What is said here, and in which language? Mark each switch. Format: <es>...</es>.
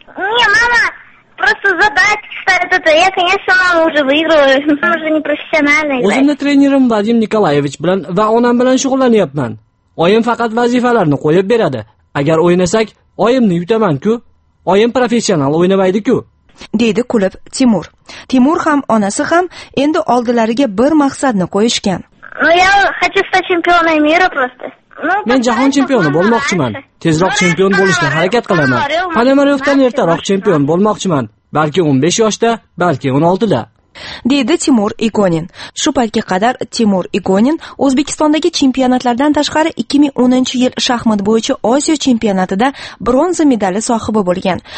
<ru>Не, мама, просто задать, кстати, это я, конечно, мама уже выиграла. Мы же не профессиональные.</ru> <uz>O'zimni trenerim Vadim Nikolaevich bilan va onam bilan shug'ullanyapman. Oyim faqat vazifalarni qo'yib beradi. Agar o'ynasak, oyimni yutaman-ku. Oyim professional o'ynamaydi-ku. Deydi kulib Timur. Timur ham onasi ham endi oldilariga bir maqsadni qo'yishgan.</uz> <ru>Ну я хочу стать чемпионом мира просто.</ru> <uz>Men jahon chempioni bo'lmoqchiman. Tezroq chempion bo'lishga harakat qilaman. Panamariovdan ertaroq chempion bo'lmoqchiman. Balki 15 yoshda, balki 16 da. Dedi Timur Igonin. Shu paytga qadar Timur Igonin O'zbekistondagi chempionatlardan tashqari 2010 yil shaxmat bo'yicha Osiyo chempionatida bronza medali sohibi bo'lgan.</uz>